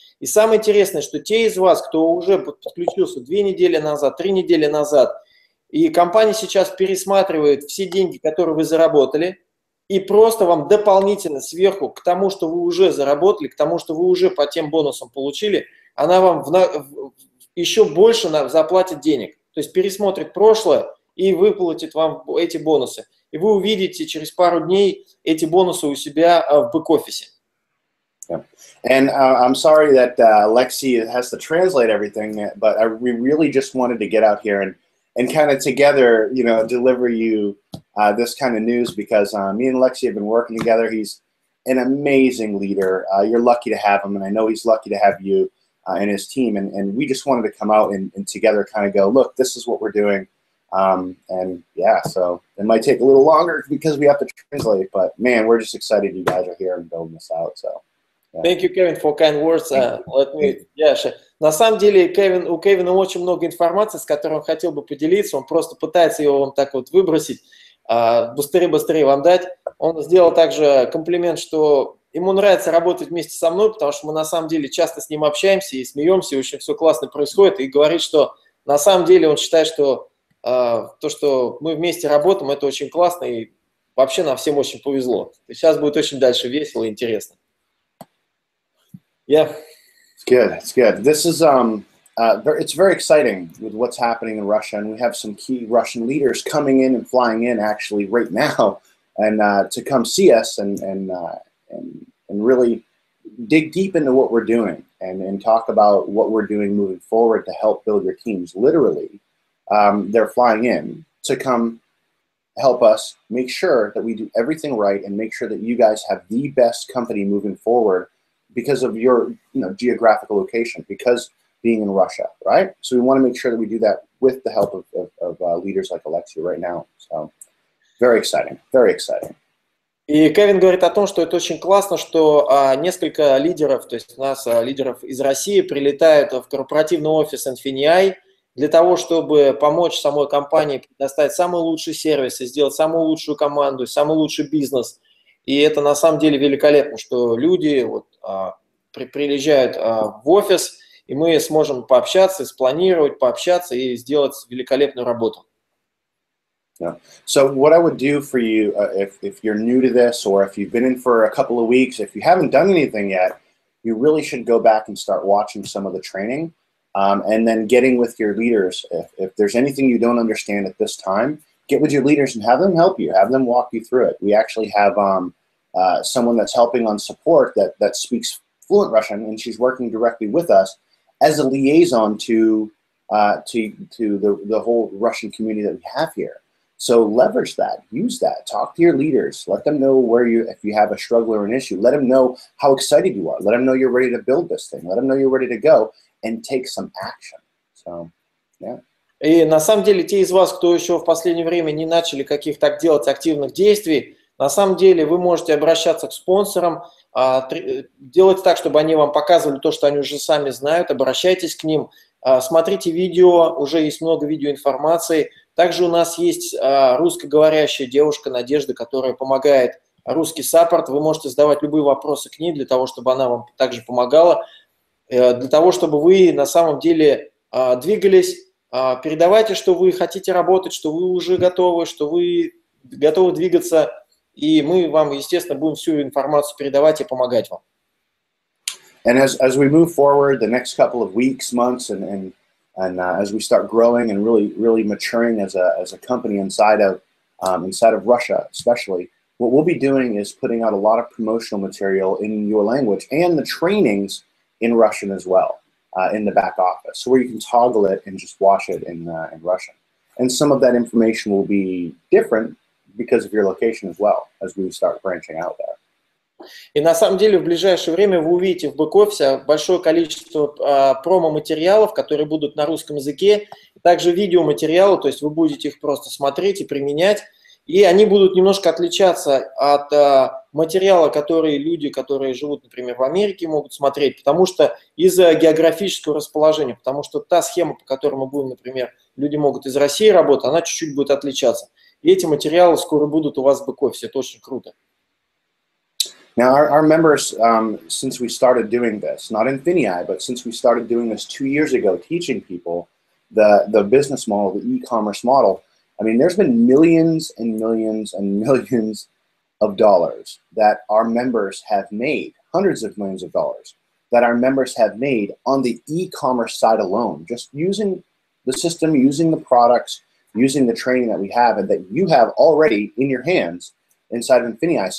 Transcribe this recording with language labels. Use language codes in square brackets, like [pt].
[ru] И самое интересное, что те из вас, кто уже подключился 2 недели назад, 3 недели назад, и компания сейчас пересматривает все деньги, которые вы заработали, и просто вам дополнительно сверху к тому, что вы уже заработали, к тому, что вы уже по тем бонусам получили, она вам еще больше заплатит денег. То есть пересмотрит прошлое и выплатит вам эти бонусы. И вы увидите через пару дней эти бонусы у себя в бэк-офисе. [en] Yeah. And I'm sorry that Lexi has to translate everything, but we really just wanted to get out here and kind of together, you know, deliver you this kind of news, because me and Lexi have been working together. He's an amazing leader. You're lucky to have him, and I know he's lucky to have you and his team. And we just wanted to come out and together kind of go, look, this is what we're doing. And yeah, so it might take a little longer because we have to translate, but man, we're just excited you guys are here and building this out. So yeah. Thank you, Kevin, for kind words. Let me, yeah, [ru] на самом деле, Кевин, у Кевина очень много информации, с которой он хотел бы поделиться. Он просто пытается его вам так вот выбросить, быстрее-быстрее вам дать. Он сделал также комплимент, что ему нравится работать вместе со мной, потому что мы на самом деле часто с ним общаемся и смеемся, и очень все классно происходит. И говорит, что на самом деле он считает, что то, что мы вместе работаем, это очень классно, и вообще нам всем очень повезло. И сейчас будет очень дальше весело и интересно. [en] Yeah. It's good, it's good. This is, it's very exciting with what's happening in Russia, and we have some key Russian leaders coming in and flying in actually right now, and to come see us and really dig deep into what we're doing and talk about what we're doing moving forward to help build your teams, literally. They're flying in to come help us make sure that we do everything right and make sure that you guys have the best company moving forward because of your, you know, geographical location, because being in Russia, right? So we want to make sure that we do that with the help of leaders like Alexei right now. So very exciting, very exciting. [ru] И Кевин говорит о том, что это очень классно, что несколько лидеров, то есть у нас лидеров из России прилетают в корпоративный офис Infinii для того, чтобы помочь самой компании предоставить самый лучший сервис и сделать самую лучшую команду, самый лучший бизнес. И это на самом деле великолепно, что люди вот, приезжают в офис, и мы сможем пообщаться, спланировать, пообщаться и сделать великолепную работу. [en] Yeah. So what I would do for you, if you're new to this, or if you've been in for a couple of weeks, if you haven't done anything yet, you really should go back and start watching some of the training. And then getting with your leaders, if there's anything you don't understand at this time, get with your leaders and have them help you, have them walk you through it. We actually have someone that's helping on support that speaks fluent Russian, and she's working directly with us as a liaison to the whole Russian community that we have here. So leverage that, use that, talk to your leaders, let them know where you, if you have a struggle or an issue, let them know how excited you are, let them know you're ready to build this thing, let them know you're ready to go. And take some action. So, yeah. [ru] И на самом деле те из вас, кто еще в последнее время не начали каких-то делать активных действий, на самом деле вы можете обращаться к спонсорам, делать так, чтобы они вам показывали то, что они уже сами знают, обращайтесь к ним, смотрите видео, уже есть много видеоинформации. Также у нас есть русскоговорящая девушка Надежда, которая помогает русский саппорт. Вы можете задавать любые вопросы к ней для того, чтобы она вам также помогала. Для того, чтобы вы на самом деле двигались, передавайте, что вы хотите работать, что вы уже готовы, что вы готовы двигаться, и мы вам, естественно, будем всю информацию передавать и помогать вам. [en] And as we move forward the next couple of weeks, months, and as we start growing and really, really maturing as a company inside of Russia, especially, what we'll be doing is putting out a lot of promotional material in your language and the trainings in Russian as well, in the back office, so where you can toggle it and just watch it in Russian. And some of that information will be different because of your location as well, as we start branching out there. [ru] И на самом деле в ближайшее время вы увидите в бэк-офисе большое количество промо-материалов, которые будут на русском языке, также видеоматериалы, то есть вы будете их просто смотреть и применять. И они будут немножко отличаться от материала, который люди, которые живут, например, в Америке, могут смотреть, потому что из-за географического расположения, потому что та схема, по которой мы будем, например, люди могут из России работать, она чуть-чуть будет отличаться. И эти материалы скоро будут у вас в бэк-офисе, это очень круто. [en] Now, our members, since we started doing this, not Infinii, but since we started doing this 2 years ago, teaching people the business model, the e-commerce model, I mean, there's been millions and millions and millions of dollars that our members have made, hundreds of millions of dollars that our members have made on the e-commerce side alone, just using the system, using the products, using the training that we have and that you have already in your hands inside of Infinii.